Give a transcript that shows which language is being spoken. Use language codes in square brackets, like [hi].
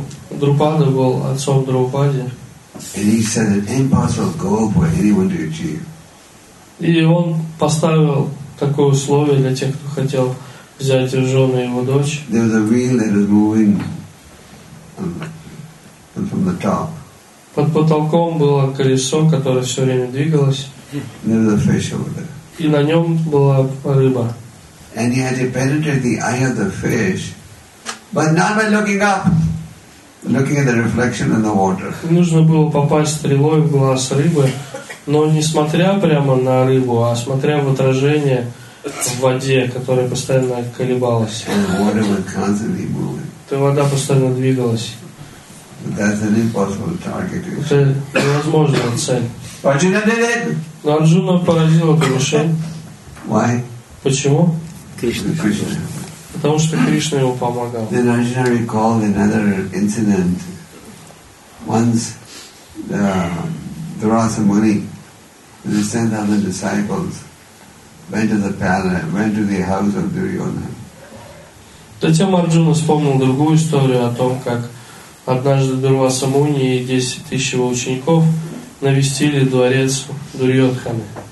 [ru] Друпада был отцом Друпади. И он поставил такое условие для тех, кто хотел взять в жены его дочь. [en] There was a wheel that was moving from the top. [ru] Под потолком было колесо, которое все время двигалось. [en] There was a fish over there. [ru] И на нем была рыба. [en] And he had to penetrate the eye of the fish, but not by looking up, looking at the reflection in the water. [ru] Нужно было попасть стрелой в глаз рыбы, но не смотря прямо на рыбу, а смотря в отражение в воде, которая постоянно колебалась. [en] And the water was constantly moving. [ru] То вода постоянно двигалась. [en] That's an impossible target. [ru] Это невозможная цель. [en] Arjuna did it. [ru] Но Арджуна поразил эту мишень. [en] Why? [ru] Почему? Кришна. Потому что Кришна ему помогал. [en] Then Arjuna recalled another incident. Once the Dvarasa Muni, when he sent out the disciples, went to the house of Duryodhana. [ru] Затем Арджуна вспомнил другую историю о том, как однажды Дурваса Муни и 10 тысяч его учеников навестили дворец Дурьотханы.